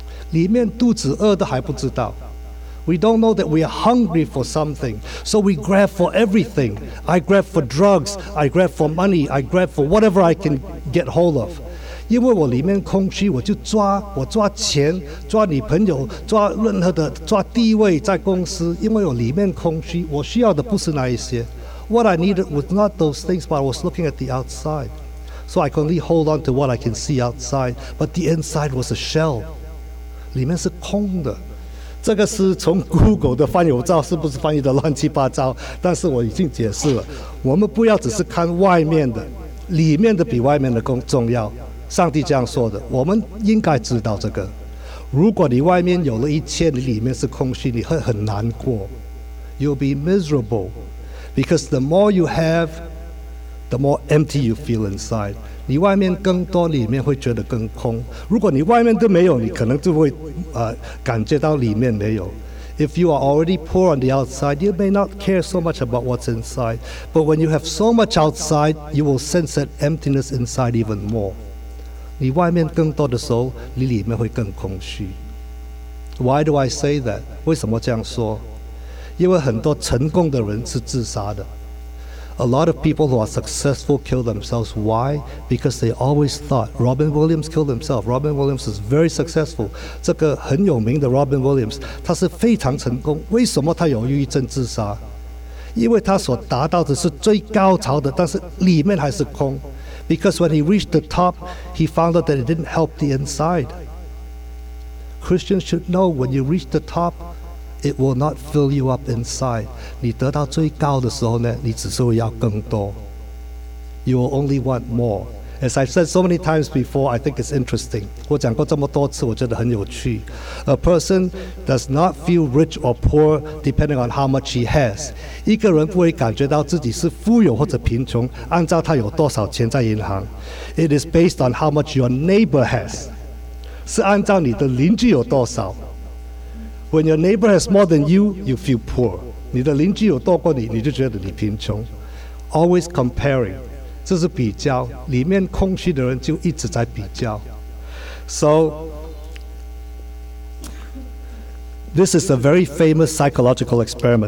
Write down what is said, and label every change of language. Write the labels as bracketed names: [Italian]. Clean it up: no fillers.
[Chinese] 里面肚子饿的还不知道。 [English] We don't know that we are hungry for something. So we grab for everything. I grab for drugs, I grab for money, I grab for whatever I can get hold of. [Chinese] 因为我里面空虚，我就抓，我抓钱，抓女朋友，抓任何的，抓地位在公司，因为我里面空虚，我需要的不是那一些。 [English] What I needed was not those things, but I was looking at the outside. So I could only hold on to what I can see outside, but the inside was a shell. [Chinese] 里面是空的。这个是从 Google 的翻译，我知道是不是翻译的乱七八糟，但是我已经解释了，我们不要只是看外面的，里面的比外面的更重要。上帝这样说的，我们应该知道这个。如果你外面有了一切，你里面是空虚，你会很难过。 [English] You'll be miserable because the more you have, the more empty you feel inside. [Chinese] 你外面更多，里面会觉得更空。如果你外面都没有，你可能就会感觉到里面没有。 [English] If you are already poor on the outside, you may not care so much about what's inside. But when you have so much outside, you will sense that emptiness inside even more. [Chinese] 你外面更多的时候，你里面会更空虚。 [English] Why do I say that? [Chinese] 为什么这样说？因为很多成功的人是自杀的。 [English] A lot of people who are successful kill themselves. Why? Because they always thought Robin Williams killed himself. Robin Williams is very successful. [Chinese] 这个很有名的 Robin Williams, 他是非常成功。为什么他有抑郁症自杀？因为他所达到的是最高潮的，但是里面还是空。 [English] Because when he reached the top, he found out that it didn't help the inside. Christians should know when you reach the top, it will not fill you up inside. [Chinese] 你得到最高的时候呢，你只是会要更多。 [English] You will only want more. As I've said so many times before, I think it's interesting. [Chinese] 我讲过这么多次，我觉得很有趣。 [English] A person does not feel rich or poor depending on how much he has. [Chinese] 一个人不会感觉到自己是富有或者贫穷，按照他有多少钱在银行。 [English] It is based on how much your neighbor has. [Chinese] 是按照你的邻居有多少。 [English] When your neighbor has more than you, you feel poor. [Chinese] 你的邻居有多过你，你就觉得你贫穷。 [English] Always comparing. [Chinese] 这是比较，里面空虚的人就一直在比较。 [English] So,This is a very famous psychological experiment.